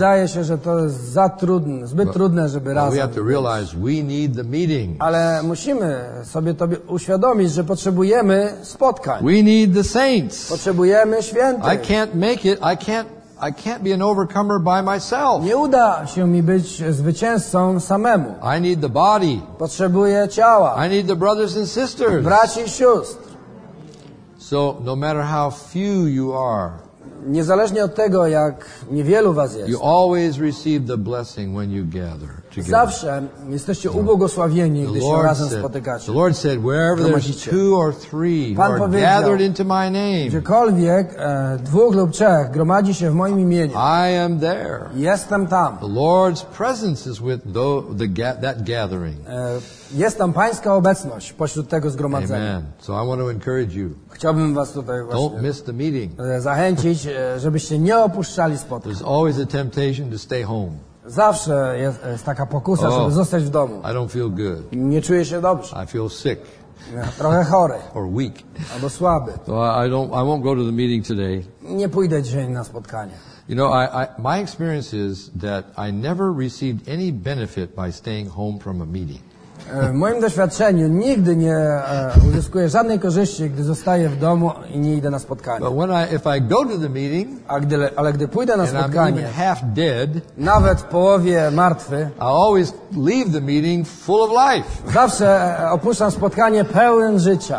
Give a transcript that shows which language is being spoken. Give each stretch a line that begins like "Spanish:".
Polish: Wydaje się, że to jest za trudne, zbyt trudne, żeby razem.
English: We have to realize we need the meetings.
Polish: Ale musimy sobie to uświadomić, że potrzebujemy spotkań.
English: We need the saints.
Polish: Potrzebujemy świętych.
English: I can't make it. I can't be an overcomer by myself.
Polish: Nie uda się mi być zwycięzcą samemu.
English: I need the body.
Polish: Potrzebuję ciała.
English: I need the brothers and sisters.
Polish: Braci i sióstr.
English: So no matter how few you are,
Polish: niezależnie od tego, jak niewielu was jest,
English: you always receive the blessing when you gather together.
Polish: Zawsze jesteście ubogosławieni, gdy się razem spotykacie.
English: The Lord said, wherever there's two or three who are gathered into my name,
Polish: gdziekolwiek dwóch lub trzech gromadzi się w moim imieniu,
English: I am there.
Polish: Jestem tam.
English: The Lord's presence is with that gathering.
Polish: Jest tam Pańska obecność pośród tego zgromadzenia.
English: Amen. So I want to encourage you.
Polish: Chciałbym was tutaj właśnie
English: don't miss the meeting.
Polish: Zachęcić, żebyście nie opuszczali spotkań.
English: There's always a temptation to stay home.
Polish: Zawsze jest taka pokusa, żeby zostać w domu.
English: I don't feel good.
Polish: Nie czuję się dobrze.
English: I feel sick.
Polish: Trochę chory.
English: Or weak.
Polish: Albo słaby.
English: So I won't go to the meeting today.
Polish: Nie pójdę dzisiaj na spotkanie.
English: You know, my experience is that I never received any benefit by staying home from a meeting.
Polish: W moim doświadczeniu nigdy nie uzyskuję żadnej korzyści, gdy zostaję w domu i nie idę na spotkanie.
English: But when if I go to the meeting,
Polish: ale gdy pójdę na spotkanie,
English: I'm half dead,
Polish: nawet w połowie martwy,
English: I always leave the meeting full of life.
Polish: Zawsze opuszczam spotkanie pełen życia.